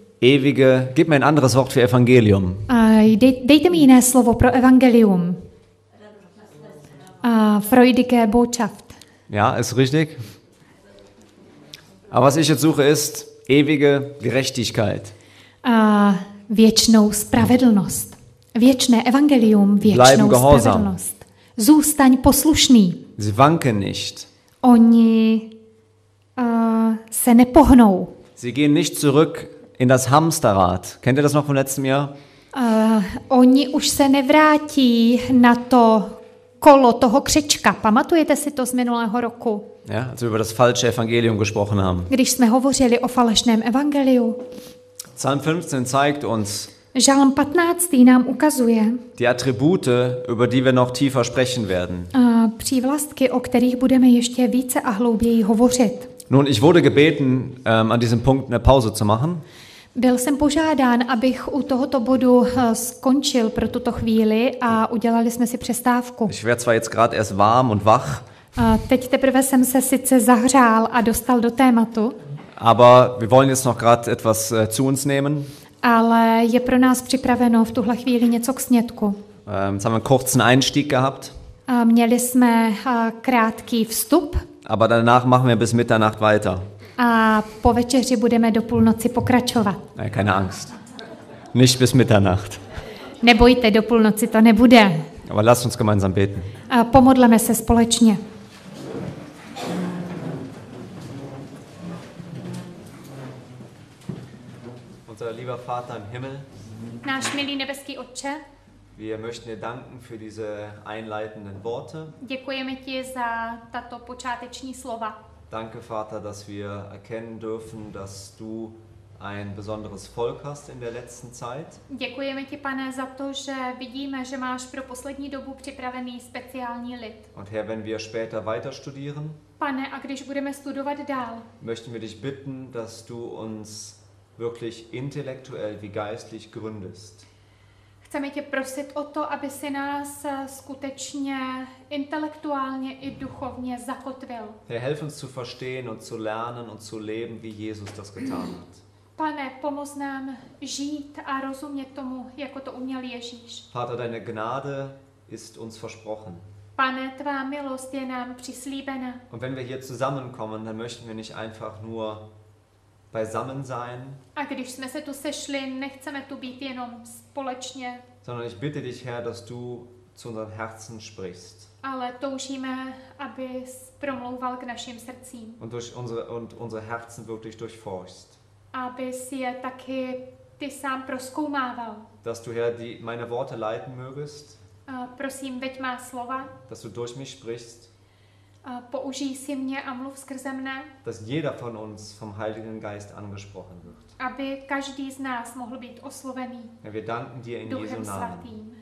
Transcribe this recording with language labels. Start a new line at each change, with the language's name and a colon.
German: Ewige, gib mir ein anderes Wort für Evangelium.
Czech: Dejte mi jiné slovo pro evangelium.
German: Freudige Botschaft. Ja, ist richtig. Aber was ich jetzt suche ist ewige Gerechtigkeit.
Czech: Věčnou spravedlnost. Věčné evangelium, věčnou spravedlnost. Zůstaň poslušný.
German: Sie wanken nicht.
Czech: Oni se nepohnou.
German: Sie gehen nicht zurück in das Hamsterrad. Kennt ihr das noch vom letzten Jahr?
Czech: Oni už se nevrátí na to kolo toho křečka. Pamatujete si to z minulého roku?
German: Ja, als wir über das falsche Evangelium gesprochen haben.
Czech: Když jsme hovořili o falešném evangeliu.
German: Psalm 15 zeigt uns.
Czech: Žalm 15. nám ukazuje
German: die Attribute, über die wir noch tiefer sprechen werden.
Czech: Přívlastky, o kterých budeme ještě více a hlouběji hovořit.
German: Nun, ich wurde gebeten, an diesem Punkt eine Pause zu machen.
Czech: Byl jsem požádán, abych u tohoto bodu skončil pro tuto chvíli a udělali jsme si přestávku.
German: Ich werde zwar jetzt gerade erst warm und wach.
Czech: Teď teprve jsem se sice zahřál a dostal do tématu.
German: Aber wir wollen jetzt noch gerade etwas zu uns nehmen.
Czech: Ale je pro nás připraveno v tuhle chvíli něco k snědku.
German: Jetzt haben wir einen kurzen Einstieg gehabt.
Czech: Měli jsme krátký vstup.
German: Aber danach machen wir bis Mitternacht weiter.
Czech: A po večeři budeme do půlnoci pokračovat.
German: Ne, keine Angst. Nicht bis Mitternacht.
Czech: Nebojte, do půlnoci to nebude.
German: Aber lasst uns gemeinsam beten.
Czech: A pomodleme se společně.
German: Unser lieber Vater im Himmel.
Czech: Náš milý nebeský Otče.
German: Wir möchten dir danken für diese einleitenden Worte.
Czech: Děkujeme ti za tato počáteční slova.
German: Danke, Vater, dass wir erkennen dürfen, dass du ein besonderes Volk hast in der letzten Zeit.
Czech: Děkujeme ti, Pane, za to, že vidíme, že máš pro poslední dobu připravený speciální lid.
German: Und Herr, wenn wir später weiter studieren,
Czech: Pane, a když budeme studovat dál,
German: möchten wir dich bitten, dass du uns wirklich intellektuell wie geistlich gründest.
Czech: Chceme tě prosit o to, aby si nás skutečně intelektuálně i duchovně zakotvil.
German: Herr, helf uns zu verstehen und zu lernen und zu leben, wie Jesus das getan hat.
Czech: Pane, pomoz nám žít a rozumět tomu, jako to uměl Ježíš.
German: Vater, deine Gnade ist uns versprochen.
Czech: Pane, tvá milost je nám přislíbena.
German: Und wenn wir hier zusammenkommen, dann möchten wir nicht einfach nur beisammen sein.
Czech: A když jsme se tu sešli, nechceme tu být jenom společně.
German: Sondern ich bitte dich, Herr, dass du zu unseren Herzen sprichst.
Czech: Ale toužíme, abys promlouval k našim srdcím.
German: Und durch unsere Herzen wirklich durchforschst.
Czech: Abys je taky ty sám prozkoumával.
German: Dass du, Herr, die meine Worte leiten mögest.
Czech: Prosím, veď má slova.
German: Dass du durch mich sprichst.
Czech: Použij si mě a mluv skrze mne.
German: Dass jeder von uns vom Heiligen Geist angesprochen wird.
Czech: Aby každý z nás mohl být oslovený.
German: Ja, wir danken dir in Jesu Namen.